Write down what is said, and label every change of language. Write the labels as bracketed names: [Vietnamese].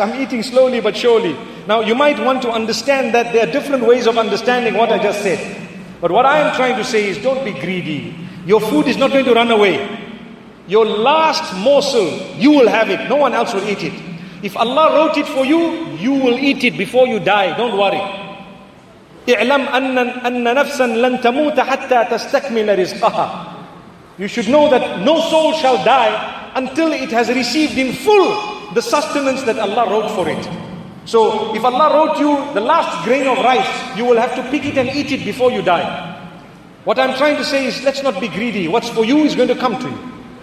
[English] I'm eating slowly but surely. Now, you might want to understand that there are different ways of understanding what I just said. But what I am trying to say is, don't be greedy. Your food is not going to run away. Your last morsel, you will have it. No one else will eat it. If Allah wrote it for you, you will eat it before you die. Don't worry. [Arabic] اعلم أن نفسا لن تموت حتى تستكمل رزقها. [English] You should know that no soul shall die until it has received in full the sustenance that Allah wrote for it. So if Allah wrote you the last grain of rice, you will have to pick it and eat it before you die. What I'm trying to say is, let's not be greedy. What's for you is going to come to you.